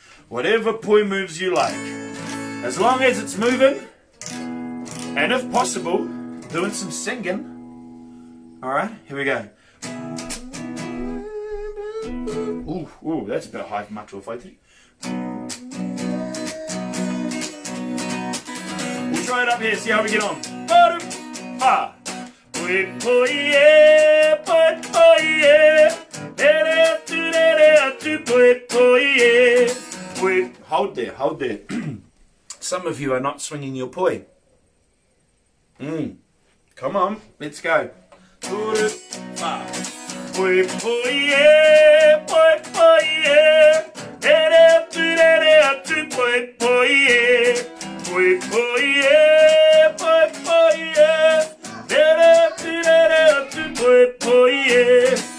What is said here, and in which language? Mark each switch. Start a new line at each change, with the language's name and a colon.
English: Whatever poi moves you like. As long as it's moving, and if possible, doing some singing. Alright, here we go. Ooh, that's a bit high for macho fighting. We'll try it up here, see how we get on. Ha!
Māori: Poi poi e, poi poi e, dere atu dere atu poi poi e.
English: Hold there, hold there. Some of you are not swinging your poi. Come on, let's go.
Māori: Poi poi e, poi poi e, dere atu dere atu poi poi e. Poi poi e, poi poi e, dere atu dere atu poi poi e.